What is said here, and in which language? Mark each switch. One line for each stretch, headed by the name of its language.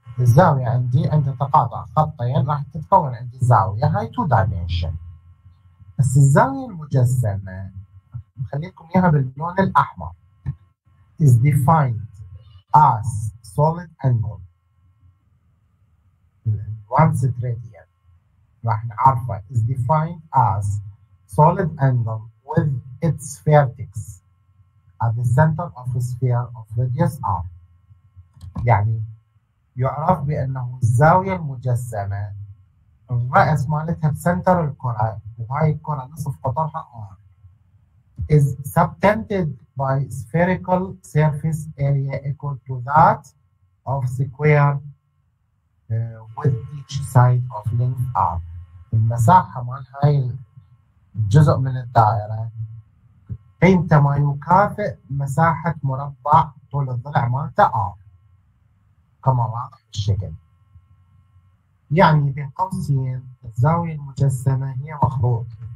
Arabic: الزاويه عندي تقاطع خطين راح تتكون عندي زاويه، هاي two dimension. بس الزاويه المجسمه خليكم اياها باللون الاحمر
English: is defined as solid angle. Once it radian
Arabic: راح نعرفه
English: is defined as solid angle with its vertex at the center of the sphere of radius r.
Arabic: يعني يعرف بانه الزاويه المجسمه الراس مالتها بسنتر الكره، وهاي الكره نصف قطرها r،
English: is subtended by spherical surface area equal to that of square with each side of length r.
Arabic: المساحة مال هاي الجزء من الدائرة قيمته ما يكافئ مساحة مربع طول الضلع مالته r، كما واضح الشكل. يعني بين قوسين الزاوية المجسمة هي مخروط.